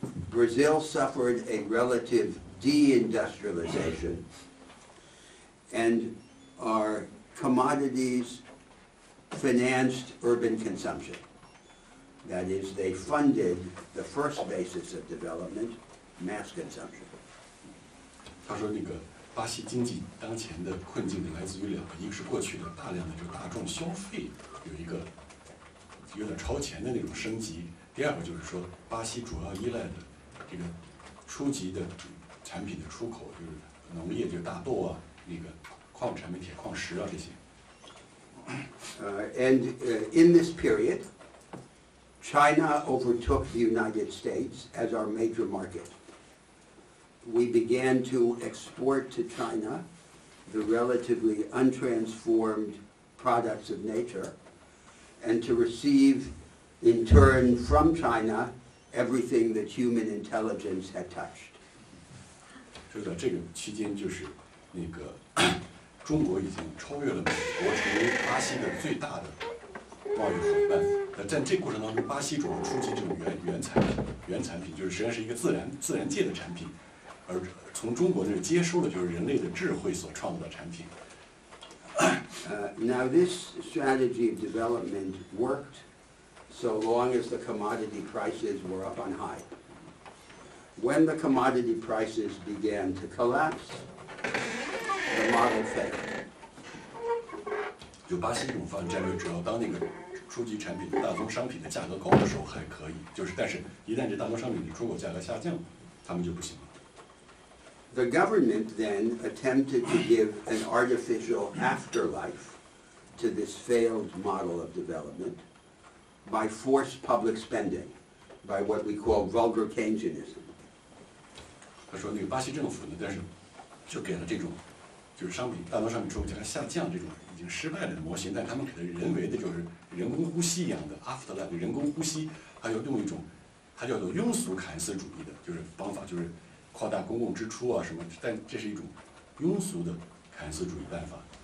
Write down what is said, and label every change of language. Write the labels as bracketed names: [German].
[English] Brazil suffered a relative deindustrialization and are commodities financed urban consumption. That is, they funded the first basis of development, mass consumption. [Chinese] 他说那个巴西经济当前的困境来自于两个，一个是过去的大量的就大众消费有一个有点超前的那种升级，第二个就是说巴西主要依赖的这个初级的产品的出口，就是农业，就是大豆啊，那个矿物产品、铁矿石啊这些。 [English] And in this period, China overtook the United States as our major market. We began to export to China the relatively untransformed products of nature, and to receive in turn from China everything that human intelligence had touched. [Chinese] 就在这个期间，就是那个中国已经超越了美国，成为巴西的最大的贸易伙伴。那在这过程当中，巴西主要出击这种原产品，就是实际上是一个自然界的产品，而从中国那接收了就是人类的智慧所创造的产品。 [English] Now this strategy of development worked so long as the commodity prices were up on high. When the commodity prices began to collapse, the model failed. [Chinese] 就巴西这种战略，主要当那个初级产品、大宗商品的价格高的时候还可以，就是但是一旦这大宗商品的出口价格下降，他们就不行了。 [English] The government then attempted to give an artificial afterlife to this failed model of development by forced public spending, by what we call vulgar Keynesianism. [Chinese] 他说那个巴西政府呢，但是就给了这种就是商品大宗商品出口价格下降这种已经失败了的模型，但他们给的人为的就是人工呼吸一样的 afterlife 人工呼吸，还有用一种他叫做庸俗凯恩斯主义的就是方法，就是扩大公共支出啊什么，但这是一种庸俗的凯恩斯主义办法。